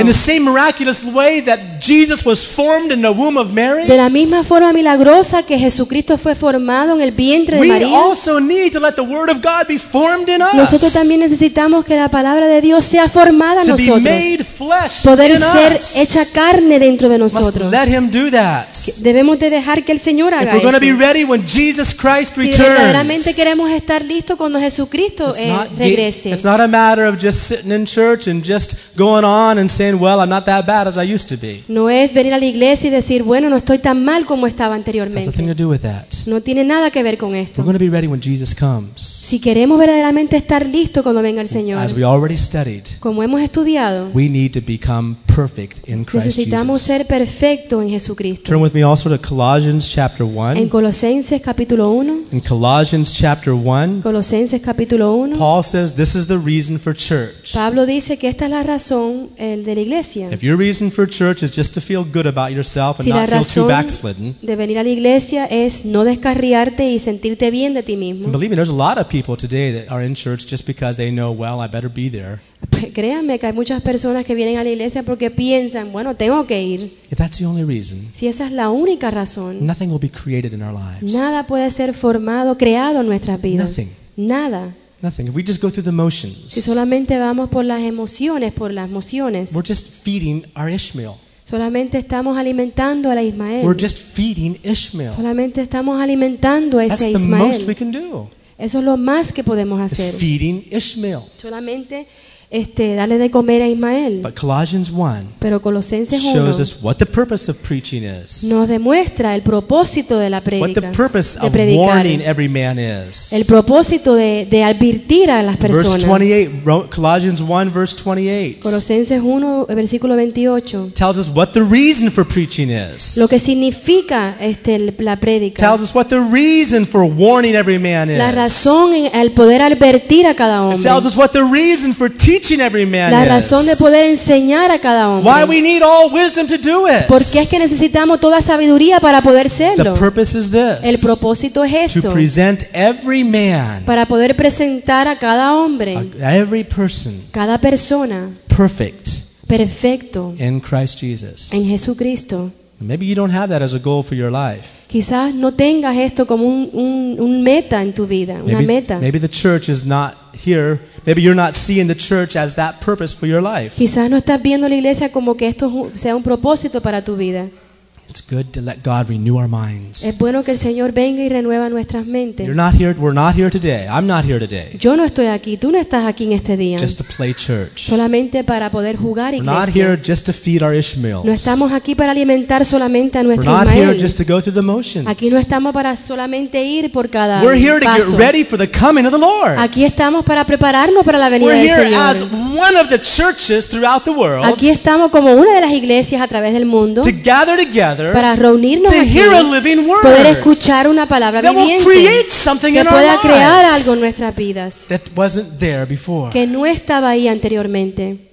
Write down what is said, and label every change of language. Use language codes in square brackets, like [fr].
[en] In the same miraculous way that Jesus was formed in the womb of Mary. [es] De la misma forma milagrosa que Jesucristo fue formado en el vientre de María. [en] Also need to let the word of God be formed in us. [es] Nosotros también necesitamos que la palabra de Dios sea formada en [en] to [es] nosotros. [en] Be made flesh [es] poder [en] in [es] ser [en] us. [es] Hecha carne dentro de nosotros. [en] Must let him do that. [es] Debemos de dejar que el Señor haga esto. [en] If we're going to be ready when Jesus Christ returns. [es] Si verdaderamente queremos estar listos cuando Jesucristo regrese. [en] It's not a matter of just sitting in church and just going on and saying, well, I'm not that bad as I used to be. [es] No es venir a la iglesia y decir, bueno, no estoy tan mal como estaba anteriormente. [en] It has nothing to do with that. [es] No tiene nada que ver con esto. [en] We're going to be ready when Jesus comes. [es] Si queremos verdaderamente estar listos cuando venga el Señor. [en] As we already studied. [es] Como hemos estudiado. [en] We need to become perfect in Christ Jesus. [es] Necesitamos ser perfecto en Jesucristo. [en] Turn with me also to Colossians chapter 1. [es] En Colosenses capítulo 1. [en] In Colossians chapter 1. [es] Colosenses capítulo 1. [en] Paul says this is the reason for church. [es] Pablo dice que esta es la razón el de la iglesia. [en] If your reason for church is just to feel good about yourself and not feel too backslidden. [es] Si la razón de venir a la iglesia es no descarriarte y sentirte bien. [en] And believe me, there's a lot of people today that are in church just because they know, well, I better be there. [es] Créanme que hay muchas personas que vienen a la iglesia porque piensan, bueno, tengo que ir. [en] If that's the only reason, [es] si esa es la única razón, [en] nothing will be created in our lives. [es] Nada puede ser formado, creado en nuestras vidas. [en] Nothing. [es] Nada. [en] Nothing. If we just go through the motions, [es] si solamente vamos por las emociones, [en] we're just feeding our Ishmael. [es] Solamente estamos alimentando a la Ismael. [en] We're just feeding Ishmael. [es] Solamente estamos alimentando a ese Ismael. [en] That's the most we can do. [es] Eso es lo más que podemos hacer. [en] It's feeding Ishmael. [es] Solamente darle de comer a Ismael. [en] But Colossians 1. [es] Pero Colosenses 1 [en] shows us what the purpose of preaching is. [es] Nos demuestra el propósito de la predica. [en] What the purpose of warning every man is. [es] El propósito de advertir a las personas. [en] Verse 28. Colossians 1 verse 28. [es] Colosenses 1 versículo 28. [en] Tells us what the reason for preaching is. [es] Lo que significa la predica. [en] Tells us what the reason for warning every man is. [es] La razón al poder advertir a cada hombre. [en] It tells us what the reason for teaching every man. [es] La razón [en] is. [es] De poder enseñar a cada hombre. [en] Why we need all wisdom to do it. [es] Porque es que necesitamos toda sabiduría para poder serlo. [en] The purpose is this. [es] El propósito es esto. [en] To present every man. [es] Para poder presentar a cada hombre. [en] Every person. [es] Cada persona. [en] Perfect. [es] Perfecto. [en] In Christ Jesus. [es] En Jesucristo. [en] Maybe you don't have that as a goal for your life. [es] Quizás no tengas esto como un meta en tu vida, una [en] maybe, [es] meta. [en] Maybe the church is not here. Maybe you're not seeing the church as that purpose for your life. [es] Quizás no estás viendo la iglesia como que esto sea un propósito para tu vida. [en] It's good to let God renew our minds. [es] Es bueno que el Señor venga y renueva nuestras mentes. [en] You're not here. We're not here today. I'm not here today. [es] Yo no estoy aquí. Tú no estás aquí en este día. [en] Just to play church. [es] Solamente para poder jugar iglesia. [en] We're not here just to feed our Ishmaels. [es] No estamos aquí para alimentar solamente a nuestro [en] Ishmael. We're not here just to go through the motions. [es] Aquí no estamos para solamente ir por cada paso. [en] We're here to get ready for the coming of the Lord. [es] Aquí estamos para prepararnos para la venida del Señor. [en] We're here as one of the churches throughout the world. [es] Aquí estamos como una de las iglesias a través del mundo. [en] To gather together. [es] Para reunirnos aquí, poder escuchar una palabra viviente que pueda crear algo en nuestras vidas que no estaba ahí anteriormente.